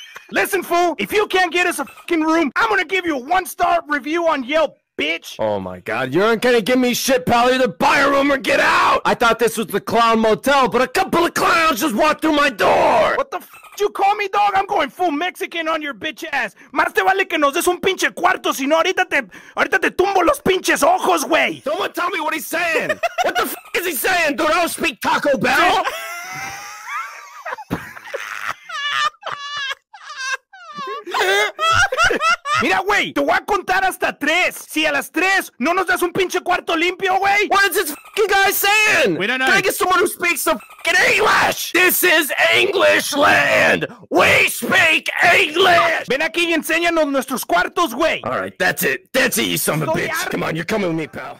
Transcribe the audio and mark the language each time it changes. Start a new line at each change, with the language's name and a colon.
English: Listen, fool, if you can't get us a f***ing room, I'm gonna give you a 1-star review on Yelp. Bitch. Oh my god, you're not gonna give me shit, pal. Either buy a room or get out! I thought this was the Clown Motel, but a couple of clowns just walked through my door! What the f*** did you call me, dog? I'm going full Mexican on your bitch ass.
Spanish: Más te vale que nos des un pinche cuarto, sino ahorita te tumbo los pinches ojos, güey!
English: Someone tell me what he's saying! What the f*** is he saying, dude? I don't speak Taco Bell!
Spanish: Mira, güey, te voy a contar hasta tres. Si a las tres no nos das un pinche cuarto limpio, güey.
English: What is this fucking guy saying? We don't know. Can I get someone who speaks some fucking English? This is English land. We speak English.
Spanish: Ven aquí y enséñanos nuestros cuartos, güey.
English: All right, that's it. That's it, you son of a bitch. Come on, you're coming with me, pal.